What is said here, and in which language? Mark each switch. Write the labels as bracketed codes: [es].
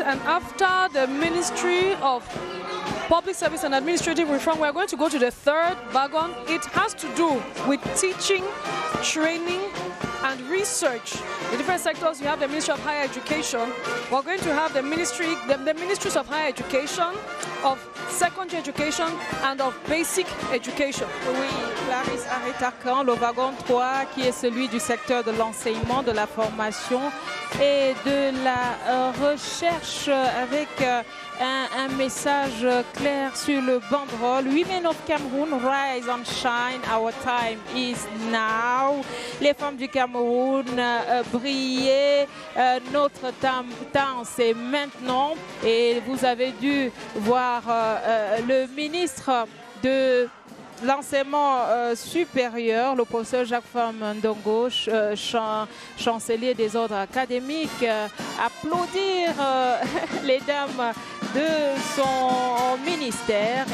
[en] And after the Ministry of Public Service and Administrative Reform, we're going to go to the third wagon. It has to do with teaching, training, and research. The different sectors, you have the Ministry of Higher Education. We're going to have the ministry, the ministries of higher education, of secondary education, and of basic education. [fr] Oui, Clarisse Arétacan, le wagon 3, qui est celui du secteur de l'enseignement, de la formation et de la recherche, avec un message clair sur le banderole. [en] Women of Cameroon, rise and shine, our time is now. [fr] Les femmes du Cameroun, brillez, notre temps c'est maintenant. Et vous avez dû voir le ministre de l'enseignement supérieur, le professeur Jacques Femme Ndongo, chancelier des ordres académiques, applaudir les dames de son ministère.